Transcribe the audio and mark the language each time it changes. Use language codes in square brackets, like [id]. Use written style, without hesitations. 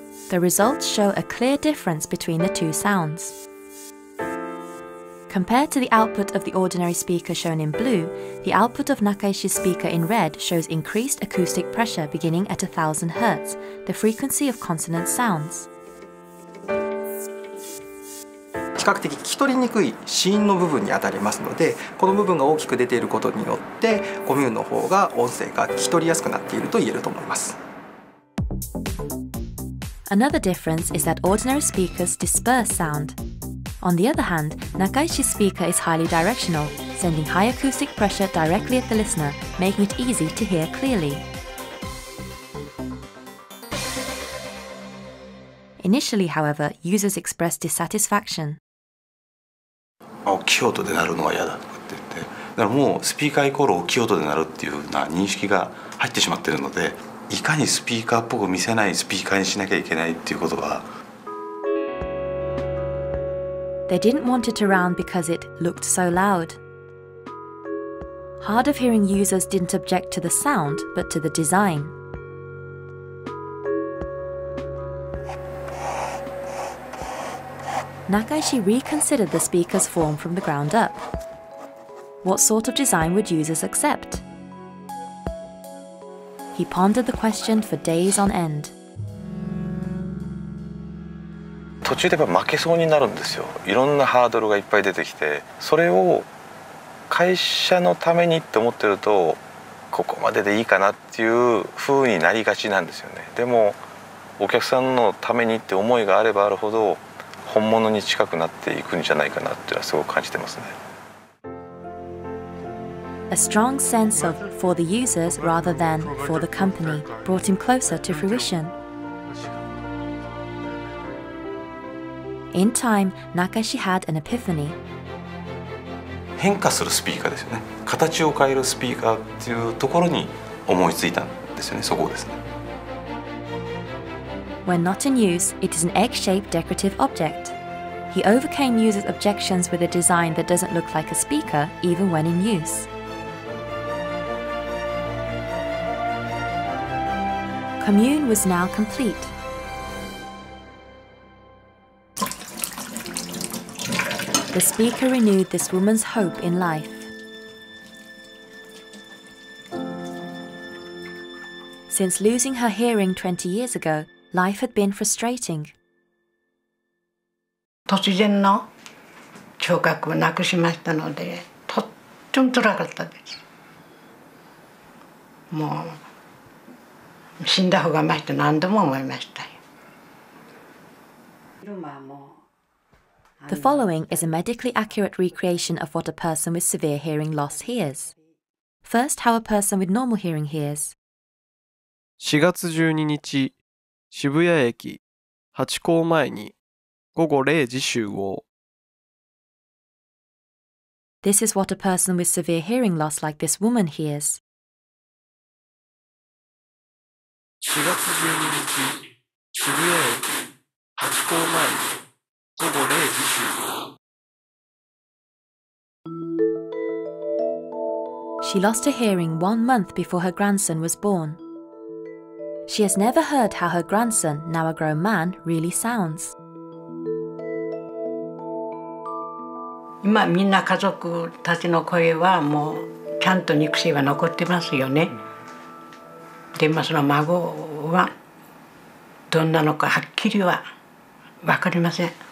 [en] The results show a clear difference between the two sounds. Compared to the output of the ordinary speaker shown in blue, the output of Nakaishi's speaker in red shows increased acoustic pressure beginning at 1000 Hz, the frequency of consonant sounds. [ja] 比較的聞き取りにくい子音の部分に当たりますので、この部分が大きく出ていることによって、コミューンの方が音声が聞き取りやすくなっていると言えると思います。 [en] Another difference is that ordinary speakers disperse sound. On the other hand, Nakaishi's speaker is highly directional, sending high acoustic pressure directly at the listener, making it easy to hear clearly. Initially, however, users expressed dissatisfaction. [ja] あ、大きい音で鳴るのは嫌だとかって言って、だからもうスピーカーイコール大きい音で鳴るっていうふうな認識が入ってしまってるので、いかにスピーカーっぽく見せないスピーカーにしなきゃいけないっていうことが、 [en] They didn't want it around because it looked so loud. Hard of hearing users didn't object to the sound, but to the design. Nakaishi reconsidered the speaker's form from the ground up. What sort of design would users accept? He pondered the question for days on end. [ja] 途中でやっぱ負けそうになるんですよ。いろんなハードルがいっぱい出てきて、それを会社のためにって思ってるとここまででいいかなっていう風になりがちなんですよね。でもお客さんのためにって思いがあればあるほど本物に近くなっていくんじゃないかなっていうのはすごく感じてますね。 [en] A strong sense of for the users rather than for the company brought him closer to fruition. In time, Nakashi had an epiphany. [ja] 変化するスピーカーですよね。形を変えるスピーカーっていうところに思いついたんですよね。そこですね。 [en] When not in use, it is an egg-shaped decorative object. He overcame users' objections with a design that doesn't look like a speaker, even when in use. Commune was now complete. The speaker renewed this woman's hope in life. Since losing her hearing 20 years ago, life had been frustrating. [ja] 突然の聴覚をなくしましたので、とっても辛かったです。もう死んだ方がマシと何度も思いました。 [en] The following is a medically accurate recreation of what a person with severe hearing loss hears. First, how a person with normal hearing hears. [ja] 4月12日、渋谷駅、ハチ公前に、午後0時集合。 [en] This is what a person with severe hearing loss like this woman hears. [ja] 4月12日、渋谷駅、ハチ公前、午後0時集合。 [en] She lost her hearing 1 month before her grandson was born. She has never heard how her grandson, now a grown man, really sounds. [ja] 今みんな家族たちの声はもうちゃんと肉声は残ってますよね。でもその孫はどんなのかはっきりは分かりません。